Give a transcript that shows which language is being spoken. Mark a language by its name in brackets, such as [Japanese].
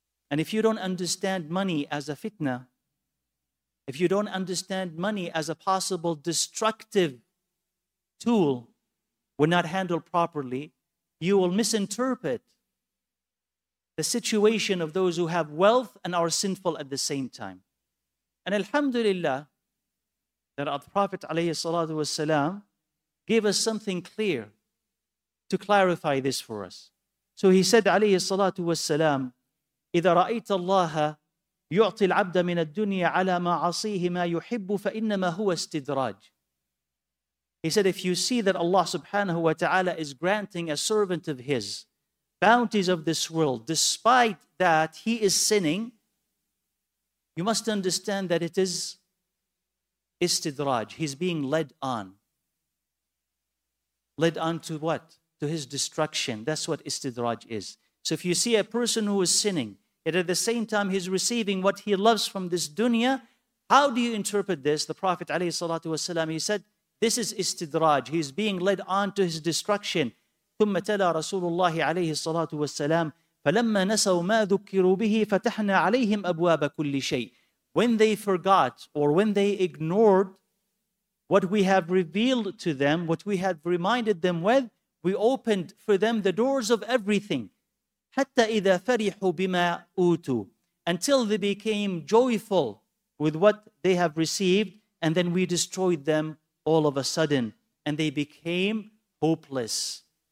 [English] And if you don't understand money as a fitna, if you don't understand money as a possible destructive tool when not handled properly, you will misinterpret the situation of those who have wealth and are sinful at the same time. And alhamdulillah, that our Prophet alayhi salatu wasalam gave us something clear to clarify this for us. So he said alayhi salatu wasalam, [Arabic] إذا رأيت الله يعطي العبد من الدنيا على ما عصيه ما يحب فإنما هو استدراج. [English] He said, if you see that Allah subhanahu wa ta'ala is granting a servant of his bounties of this world, despite that he is sinning, You must understand that it is istidraj. He's being led on. Led on to what? To his destruction. That's what istidraj is. So if you see a person who is sinning, yet at the same time he's receiving what he loves from this dunya, how do you interpret this? The Prophet alayhi salatu wasalam, he said, this is istidraj. He's being led on to his destruction. [Arabic] ثم تلا رسول الله عليه الصلاة والسلام فلما نسوا ما ذكروا به فتحنا عليهم أبواب كل شيء. [English] When they forgot or when they ignored what we have revealed to them, what we have reminded them with, we opened for them the doors of everything. [Arabic] حتى إذا فرحوا بما أوتوا, [English] until they became joyful with what they have received, and then we destroyed them all of a sudden, and they became hopeless.